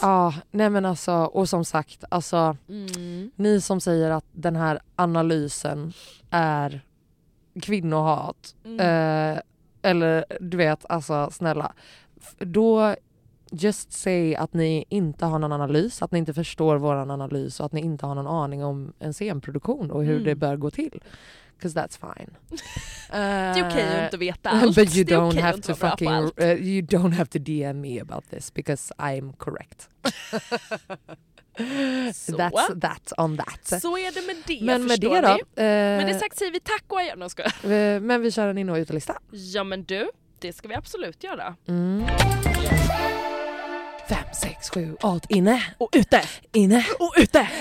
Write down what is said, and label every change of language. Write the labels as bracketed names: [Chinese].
[Swedish] Ja, nej men alltså, och som sagt, alltså ni som säger att den här analysen är kvinnohat eller du vet, alltså snälla, då just säg att ni inte har någon analys, att ni inte förstår våran analys och att ni inte har någon aning om en scenproduktion och hur det bör gå till. [English] Because that's fine. [Swedish] Det är okej att inte veta allt. [English] But you don't okay have to fucking you don't have to DM me about this because I'm correct. [Swedish] Så. [English] That's on that. [Swedish] Så är det med det, men förstår med det då, men det sagt säger vi tack och adjö. Men vi kör en in- och utlista. Ja men du, det ska vi absolut göra. 5, 6, 7, 8, inne och ute. Inne och ute.